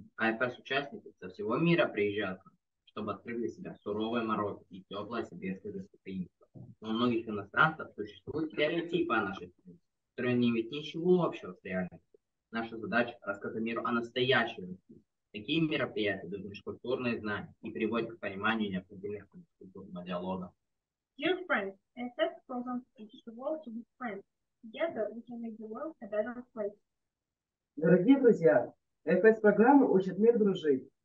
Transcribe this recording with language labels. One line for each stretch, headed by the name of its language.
Russian: АФС-участники со всего мира приезжают, чтобы открыть для себя суровый мороз и теплое советское гостеприимство. Но у многих иностранцев существуют стереотипы о нашей стране, которые не имеют ничего общего с реальностью. Наша задача – рассказать миру о настоящей России. Такие мероприятия дают межкультурные знания и приводят к пониманию необходимых межкультурного диалога.
English: Dear friends, ASS program teaches the world to be friends. Together, we can make the world a better place.
Russian: Дорогие друзья, ASS программа учит мир дружить.